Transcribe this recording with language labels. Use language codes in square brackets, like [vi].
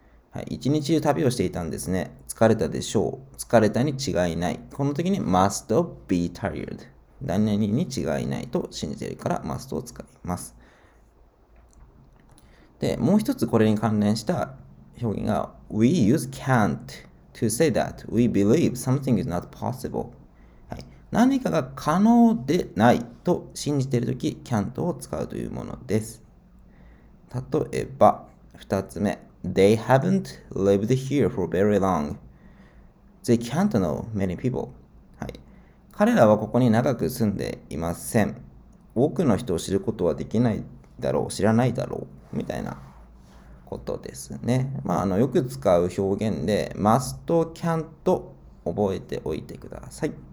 [ja] はい、一日中旅をしていたんですね。疲れたでしょう。疲れたに違いない。この時に [en] must be tired。 [ja] 何々に違いないと信じているから must を使います。で、もう一つこれに関連した表現が [en] we use can't to say that we believe something is not possible。 [ja] はい、何かが可能でないと信じているとき can't を使うというものです。例えば、二つ目。 [en] They haven't lived here for very long. They can't know many people. [ja] はい。彼らはここに長く住んでいません。多くの人を知ることはできないだろう。知らないだろう。みたいなことですね。よく使う表現で、must と can't 覚えておいてください。